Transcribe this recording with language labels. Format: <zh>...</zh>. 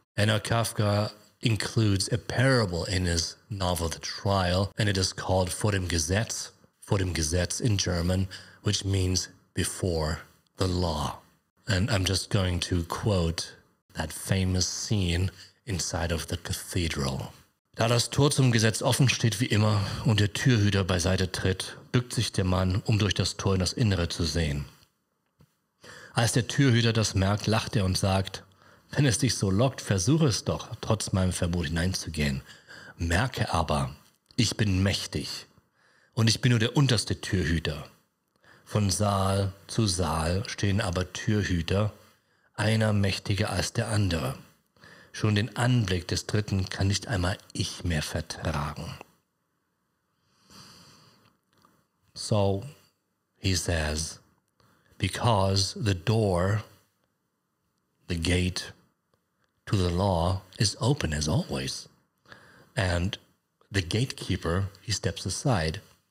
<en>And now Kafka includes a parable in his novel, The Trial, and it is called Vor dem Gesetz, Vor dem Gesetz in German, which means before the law. And I'm just going to quote that famous scene inside of the cathedral.</en> <de>Da das Tor zum Gesetz offen steht wie immer und der Türhüter beiseite tritt, bückt sich der Mann, um durch das Tor in das Innere zu sehen. Als der Türhüter das merkt, lacht er und sagt, wenn es dich so lockt, versuche es doch, trotz meinem Verbot hineinzugehen. Merke aber, ich bin mächtig und ich bin nur der unterste Türhüter. Von Saal zu Saal stehen aber Türhüter, einer mächtiger als der andere. Schon den Anblick des Dritten kann nicht einmal ich mehr vertragen.</de> <en>So, he says, because the door, the gate to the law is open as always. And the gatekeeper, he steps aside.</en>